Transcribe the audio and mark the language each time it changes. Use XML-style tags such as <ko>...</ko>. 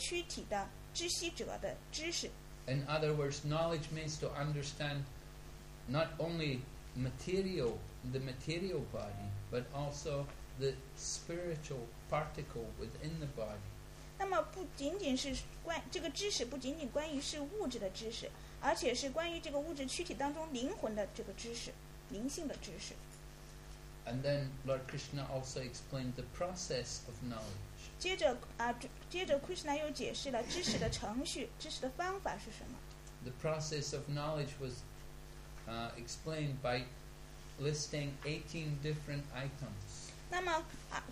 <zh>或者是对这个躯体的活动场，这个躯体还有这个躯体的知悉者的知识。</zh> <en>In other words, knowledge means to understand not only the material body, but also the spiritual particle within the body.</en> <zh>那么不仅仅是关于这个知识，不仅仅关于是物质的知识，而且是关于这个物质躯体当中灵魂的这个知识，灵性的知识。</zh> <en>And then Lord Krishna also explained the process of knowledge.</en> <zh>接着 Krishna 又解释了知识的程序，知识的方法是什么。</zh> <en>The process of knowledge was explained by listing 18 different items.</en>